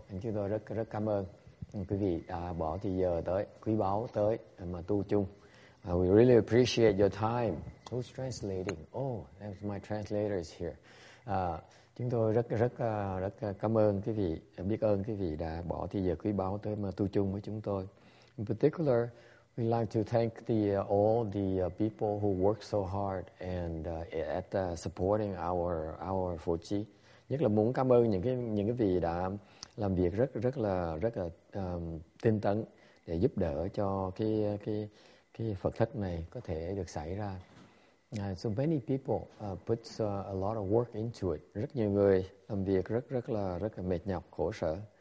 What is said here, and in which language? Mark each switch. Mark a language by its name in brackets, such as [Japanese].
[Vietnamese] Chúng tôi rất cảm ơn quý vị đã bỏ thời giờ tới, quý báu tới mà tu chung. [English] We really appreciate your time. Who's translating? Oh, that's my translator is here. [Vietnamese] Chúng tôi rất cảm ơn quý vị, biết ơn quý vị đã bỏ thời giờ quý báu tới mà tu chung với chúng tôi. [English] In particular, we like to thank all the people who work so hard and at supporting our Fuji. [Vietnamese] Nhất là muốn cảm ơn những cái vị đã làm việc rất là tinh tấn để giúp đỡ cho cái cái Phật thất này có thể được xảy ra. [English] So many people put a lot of work into it. [Vietnamese] Rất nhiều người làm việc rất là mệt nhọc, khổ sở.